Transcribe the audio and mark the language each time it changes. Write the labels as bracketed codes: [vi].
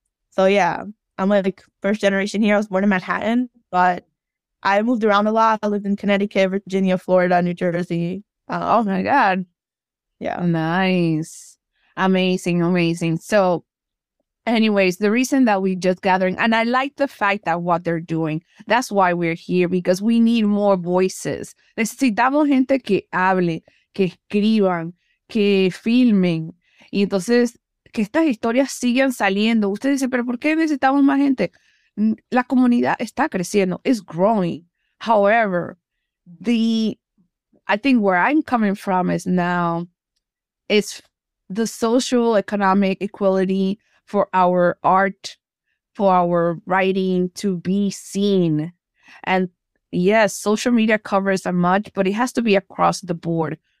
[en] So yeah, I'm like first generation here. I was born in Manhattan, but I moved around a lot. I lived in Connecticut, Virginia, Florida, New Jersey. Oh my God. Yeah. Nice. Amazing, amazing. So anyways, the reason that we just gathering, and I like the fact that what they're doing, that's why we're here, because we need more voices. [es] Necesitamos gente que hable, que escriban, que filmen. Y entonces, que estas historias sigan saliendo. Ustedes dicen, pero ¿por qué necesitamos más gente? La comunidad está creciendo. [en] It's growing. However, I think where I'm coming from is now, it's the social economic equality for our art, for our writing to be seen. And yes, social media covers a much, but it has to be across the board.